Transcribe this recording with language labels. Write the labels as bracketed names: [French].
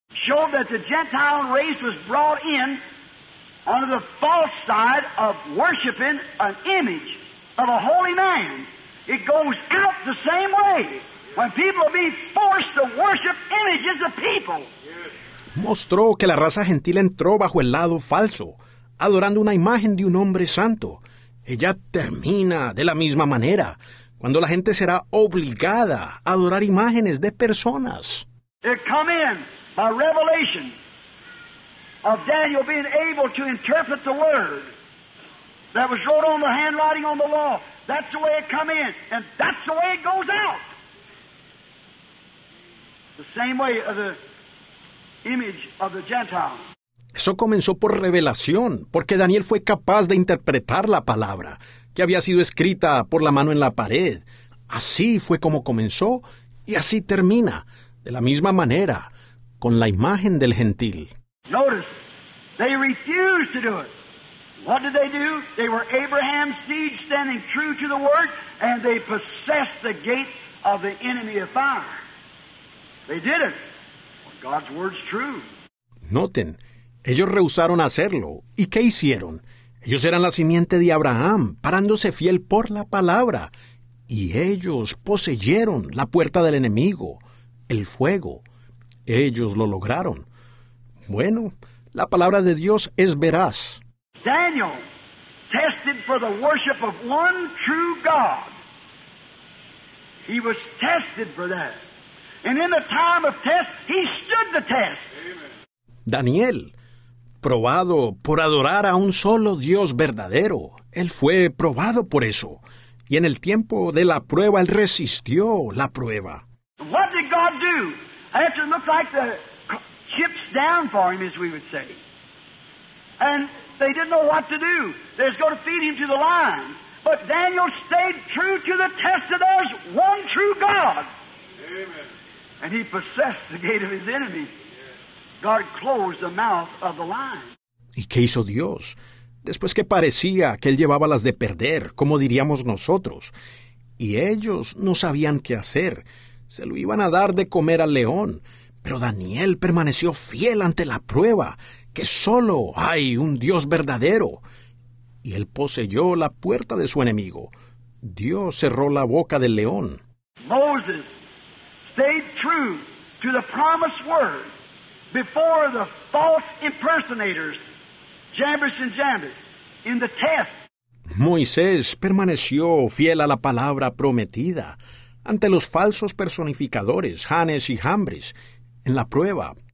[English] Showed that the Gentile race was brought in on the false side of worshiping an image of a holy man. It goes out the same way. Yeah. when people are being forced to worship images of people. [Spanish] Mostró que la raza gentil entró bajo el lado falso, adorando una imagen de un hombre santo. Ella termina de la misma manera, cuando la gente será obligada a adorar imágenes de personas. [English] It come in by revelation of Daniel being able to interpret the word that was wrote on the handwriting on the law. That's the way it come in, and that's the way it goes out. The same way of the image of the Gentile. [Spanish] Eso comenzó por revelación, porque Daniel fue capaz de interpretar la palabra que había sido escrita por la mano en la pared. Así fue como comenzó, y así termina, de la misma manera, con la imagen del gentil. [English] Notice, they refused to do it. What did they do? They were Abraham's seed standing true to the word, and they possessed the gate of the enemy of fire. They did it. God's word's true. [Spanish] Noten, ellos rehusaron hacerlo. ¿Y qué hicieron? Ellos eran la simiente de Abraham, parándose fiel por la palabra. Y ellos poseyeron la puerta del enemigo, el fuego. Ellos lo lograron. Bueno, la palabra de Dios es veraz. [English] Daniel tested for the worship of one true God. He was tested for that. And in the time of test, he stood the test. [Spanish] Daniel, probado por adorar a un solo Dios verdadero. Él fue probado por eso. Y en el tiempo de la prueba, él resistió la prueba. [English] What did God do? After it looked like the chips down for him, as we would say. And they didn't know what to do. They was going to feed him to the lion. But Daniel stayed true to the test of theirs, one true God. Amen. And he possessed the gate of his enemy. God closed the mouth of the lion. [Spanish] ¿Y qué hizo Dios? Después que parecía que él llevaba las de perder, como diríamos nosotros, y ellos no sabían qué hacer, se lo iban a dar de comer al león, pero Daniel permaneció fiel ante la prueba, que solo hay un Dios verdadero, y él poseyó la puerta de su enemigo. Dios cerró la boca del león. [English] Moses stayed true to the promised word before the false impersonators, Jabesh and Jabesh, in the test. [Spanish] Moisés permaneció fiel a la palabra prometida ante los falsos personificadores, Janes y Jambres, en la prueba.